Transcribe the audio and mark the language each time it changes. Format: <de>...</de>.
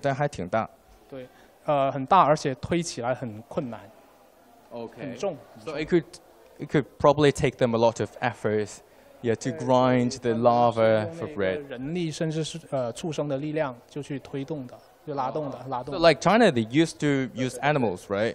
<zh>但还挺大。很大，而且推起来很困难。 Okay. 很重,</zh> <en>so it could probably take them a lot of effort to grind the lava for bread.</en> <zh>人力甚至是畜生的力量就去推动的,就拉动的,</zh> <en>So like China, they used to use animals, right?</en>